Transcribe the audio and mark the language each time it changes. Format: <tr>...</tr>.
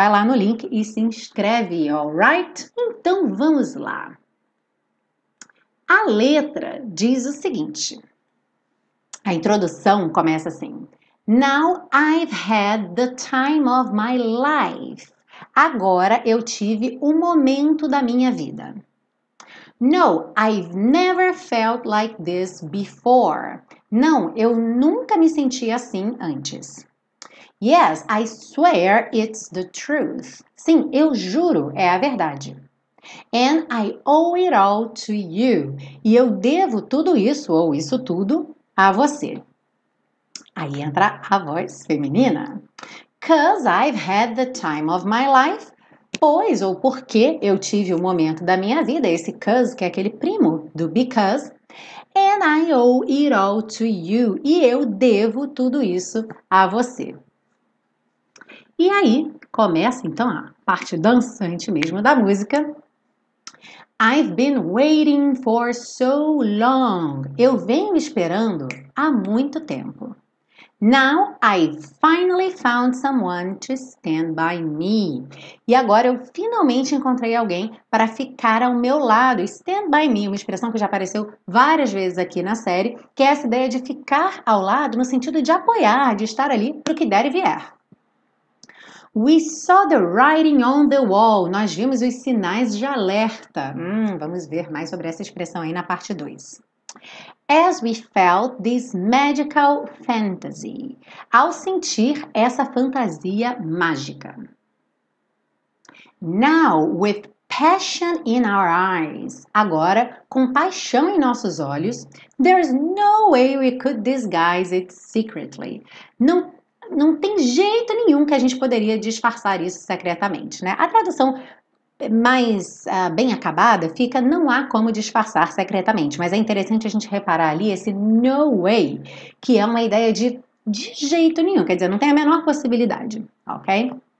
<pt>Vai lá no link e se inscreve, alright? Então, vamos lá. A letra diz o seguinte, a introdução começa assim:</pt> <en>Now I've had the time of my life.</en> <pt>Agora eu tive o momento da minha vida.</pt> <en>No, I've never felt like this before.</en> <pt>Não, eu nunca me senti assim antes.</pt> <en>Yes, I swear it's the truth.</en> <pt>Sim, eu juro, é a verdade.</pt> <en>And I owe it all to you.</en> <pt>E eu devo tudo isso, ou isso tudo, a você. Aí entra a voz feminina.</pt> <en>'Cause I've had the time of my life.</en> <pt>Pois, ou porque eu tive o momento da minha vida. Esse 'cause, que é aquele primo do because.</pt> <en>And I owe it all to you.</en> <pt>E eu devo tudo isso a você. E aí, começa então a parte dançante mesmo da música.</pt> <en>I've been waiting for so long.</en> <pt>Eu venho esperando há muito tempo.</pt> <en>Now I finally found someone to stand by me.</en> <pt>E agora eu finalmente encontrei alguém para ficar ao meu lado. Stand by me, uma expressão que já apareceu várias vezes aqui na série, que é essa ideia de ficar ao lado no sentido de apoiar, de estar ali para o que der e vier.</pt> <en>We saw the writing on the wall.</en> <pt>Nós vimos os sinais de alerta. Vamos ver mais sobre essa expressão aí na parte 2.</pt> <en>As we felt this magical fantasy.</en> <pt>Ao sentir essa fantasia mágica.</pt> <en>Now, with passion in our eyes.</en> <pt>Agora, com paixão em nossos olhos.</pt> <en>There's no way we could disguise it secretly.</en> <pt>Não tem jeito nenhum que a gente poderia disfarçar isso secretamente, né? A tradução mais bem acabada fica não há como disfarçar secretamente, mas é interessante a gente reparar ali esse no way, que é uma ideia de jeito nenhum, quer dizer, não tem a menor possibilidade, ok?</pt>